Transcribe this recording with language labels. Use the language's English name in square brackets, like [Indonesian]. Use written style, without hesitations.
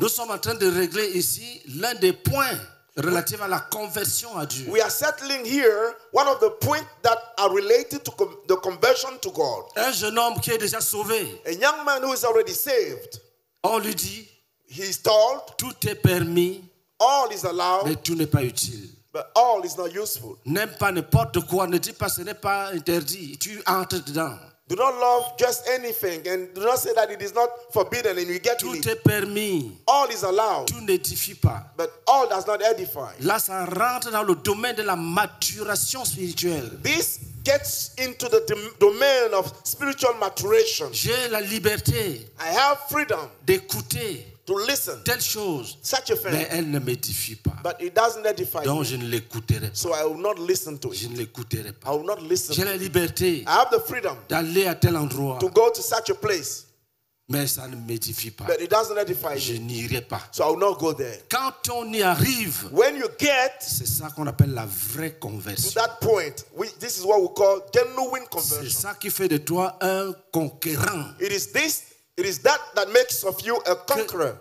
[French] Nous sommes en train de régler ici l'un des points relative à la conversion à Dieu. [English] We are settling here one of the points that are related to the conversion to God. [French] Un jeune homme qui est déjà sauvé. [English] A young man who is already saved. [French] On lui dit, [English] he is told, [French] tout est permis. [English] All is allowed. [French] Mais tout n'est pas utile. [English] But all is not useful. [French] N'aime pas n'importe quoi. Ne dis pas ce n'est pas interdit. Tu entres dedans. [English] Do not love just anything and do not say that it is not forbidden and you get [French] tout [English] in it. [French] Est permis. [English] All is allowed. [French] Tout n'édifie pas. [English] But all does not edify. [French] Là, ça rentre dans le domaine de la maturation spirituelle. [English] This gets into the domain of spiritual maturation. [French] J'ai la liberté. [English] I have freedom. [French] D'écouter. [English] To listen. [French] Telle chose. [English] Such a thing. [French] Mais elle ne m'édifie pas. [English] But it doesn't edify. [French] Donc je ne l'écouterai pas. [English] So I will not listen to it. [French] Je ne l'écouterai pas. [English] I will not listen. [French] J'ai la liberté. [English] I have the freedom. [French] D'aller à tel endroit. [English] To go to such a place. [French] Mais ça ne m'édifie pas. [English] But it doesn't edify. [French] Je n'irai pas. [English] So I will not go there. [French] Quand on y arrive. [English] When you get. [French] C'est ça qu'on appelle la vraie conversion. [English] To that point, this is what we call genuine conversion. [French] C'est ça qui fait de toi un conquérant. [English] It is this. It is that makes of you a conqueror.